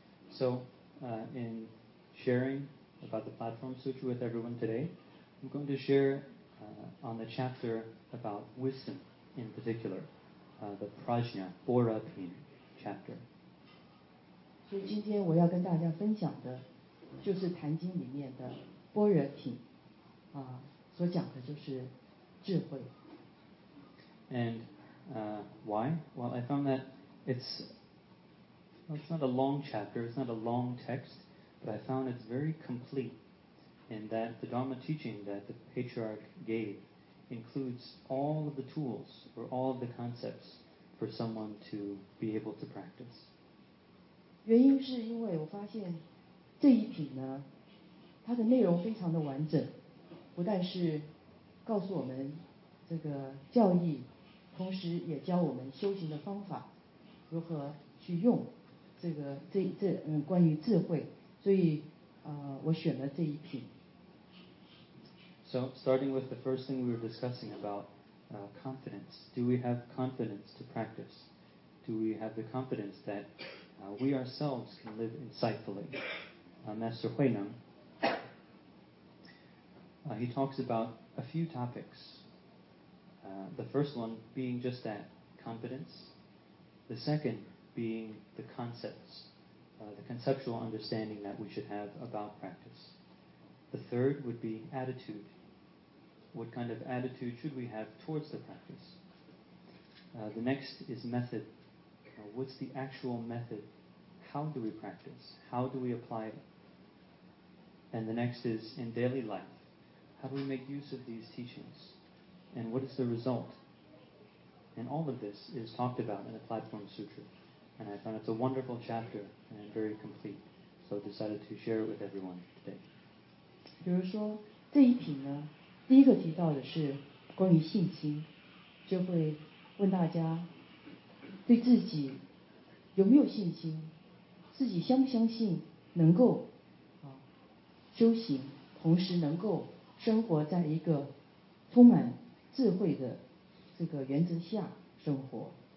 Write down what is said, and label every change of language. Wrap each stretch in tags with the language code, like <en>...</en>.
<en>So, in sharing about the Platform Sutra with everyone today, I'm going to share on the chapter about wisdom in particular, the Prajna Borapin chapter.</en> <zh>所以今天我要跟大家分享的就是《坛经》里面的般若品所讲的就是智慧。</zh> <en>And why? Well, I found that it's not a long chapter, it's not a long text, but I found it's very complete in that the Dharma teaching that the patriarch gave includes all of the tools or all of the concepts for someone to be able to practice.</en> <zh>原因是因为我发现这一品呢，它的内容非常的完整，不但是告诉我们这个教义，同时也教我们修行的方法，如何去用这关于智慧，所以我选了这一品。</zh> <en>So starting with the first thing we were discussing about confidence, do we have confidence to practice? Do we have the confidence that we ourselves can live insightfully. Master Huineng, he talks about a few topics. The first one being just that, confidence. The second being the concepts, the conceptual understanding that we should have about practice. The third would be attitude. What kind of attitude should we have towards the practice? The next is method. What's the actual method? How do we practice? How do we apply it? And the next is in daily life. How do we make use of these teachings? And what is the result? And all of this is talked about in the Platform Sutra. And I found it's a wonderful chapter and very complete. So I decided to share it with everyone today.</en> <zh>比如说这一品呢，第一个提到的是关于信心，就会问大家对自己有没有信心，自己相不相信能够修行，同时能够生活在一个充满智慧的这个原则下生活。</zh>